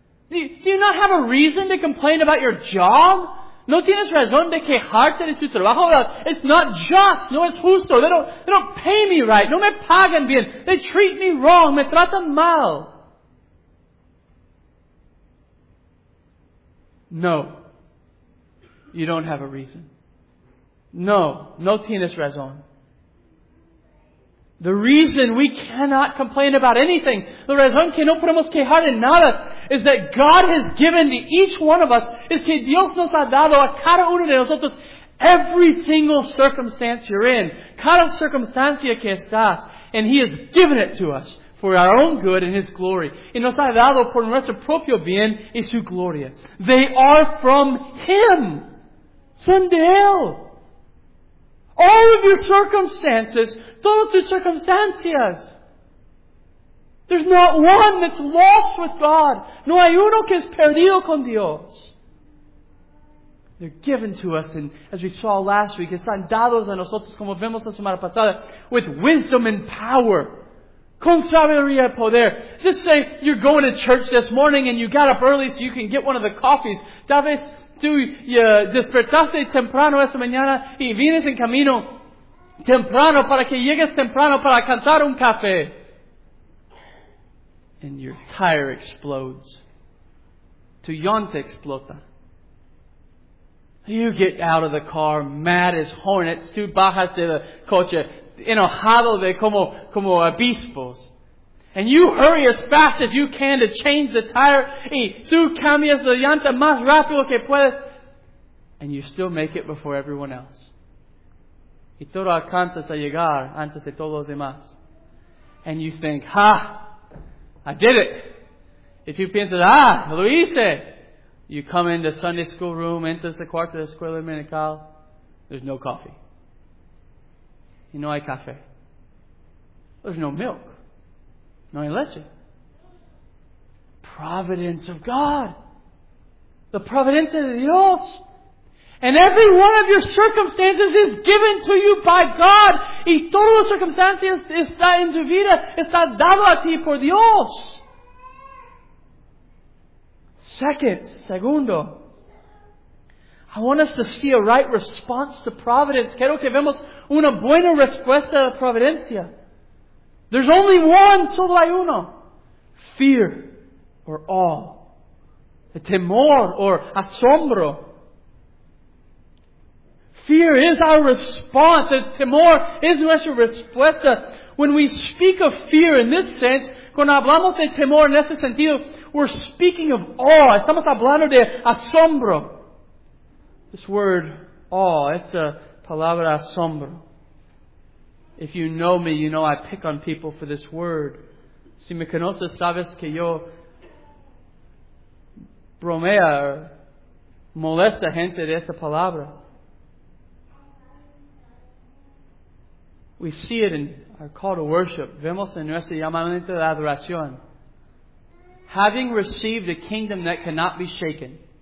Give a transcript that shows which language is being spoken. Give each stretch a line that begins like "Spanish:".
English: Do you not have a reason to complain about your job?
Spanish: No tienes razón de quejarte de tu trabajo.
English: It's not just.
Spanish: No es justo.
English: They don't pay me right.
Spanish: No me pagan bien.
English: They treat me wrong.
Spanish: Me tratan mal.
English: No. You don't have a reason. No.
Spanish: No tienes razón.
English: The reason we cannot complain about anything, the
Spanish: razón que no podemos quejar en nada,
English: is that God has given to each one of us,
Spanish: es que Dios nos ha dado a cada uno de nosotros
English: every single circumstance you're in,
Spanish: cada circunstancia que estás,
English: and He has given it to us for our own good and His glory.
Spanish: Y nos ha dado por nuestro propio bien y su gloria.
English: They are from Him.
Spanish: Son de Él.
English: All of your circumstances,
Spanish: todas tus circunstancias.
English: There's not one that's lost with God.
Spanish: No hay uno que es perdido con Dios.
English: They're given to us, and as we saw last week,
Spanish: están dados a nosotros, como vemos la semana pasada,
English: with wisdom and power.
Spanish: Con sabiduría y poder.
English: Just say you're going to church this morning and you got up early so you can get one of the coffees.
Spanish: Tal vez tú despertaste temprano esta mañana y vienes en camino temprano para que llegues temprano para alcanzar un café.
English: And your tire explodes.
Spanish: Tu llanta explota.
English: You get out of the car mad as hornets.
Spanish: Tú bajas de la coche enojado de como obispos.
English: And you hurry as fast as you can to change the tire.
Spanish: Y tú cambias la llanta más rápido que puedes.
English: And you still make it before everyone else.
Spanish: Y todo alcanzas a llegar antes de todos los demás.
English: And you think, ha! I did it. If you
Spanish: piensas, lo hice.
English: You come into Sunday school room,
Spanish: entras el cuarto de escuela dominical,
English: there's no coffee.
Spanish: Y no hay café.
English: There's no milk.
Spanish: No hay leche.
English: Providence of God. The providence of Dios. And every one of your circumstances is given to you by God.
Spanish: Y todas las circunstancias está en tu vida, está dado a ti por Dios.
English: Segundo, I want us to see a right response to providence.
Spanish: Quiero que vemos una buena respuesta a providencia.
English: There's only one,
Spanish: solo hay uno.
English: Fear or awe.
Spanish: Temor or asombro.
English: Fear is our response. Temor is nuestra respuesta. When we speak of fear in this sense,
Spanish: cuando hablamos de temor en ese sentido,
English: we're speaking of awe.
Spanish: Estamos hablando de asombro.
English: This word, awe,
Spanish: esta palabra asombro.
English: If you know me, you know I pick on people for this word.
Spanish: Si me conoces, sabes que yo bromea, molesta gente de esta palabra.
English: We see it in our call to worship.
Spanish: Vemos en nuestro llamamiento de adoración.
English: Having received a kingdom that cannot be shaken.